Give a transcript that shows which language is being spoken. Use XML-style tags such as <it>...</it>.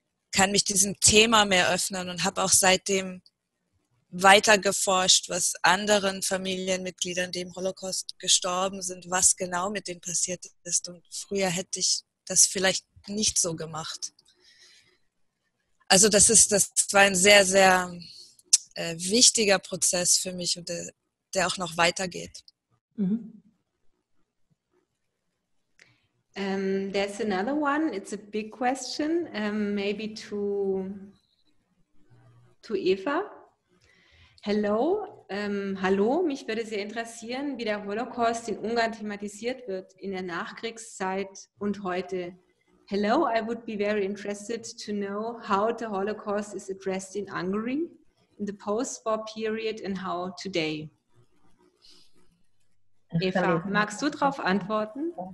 <de>kann mich diesem Thema mehr öffnen und habe auch seitdem weiter geforscht, was anderen Familienmitgliedern, die im Holocaust gestorben sind, was genau mit denen passiert ist, und früher hätte ich das vielleicht nicht so gemacht. Also das war ein sehr, sehr wichtiger Prozess für mich und der auch noch weitergeht. Mm-hmm.</de> <en>There's another one, it's a big question, maybe to Eva.</en> <de>Hallo, mich würde sehr interessieren, wie der Holocaust in Ungarn thematisiert wird in der Nachkriegszeit und heute.</de> <en>Hello, I would be very interested to know how the Holocaust is addressed in Hungary in the post-war period and how today.</en> <de>Eva, magst du darauf antworten?</de>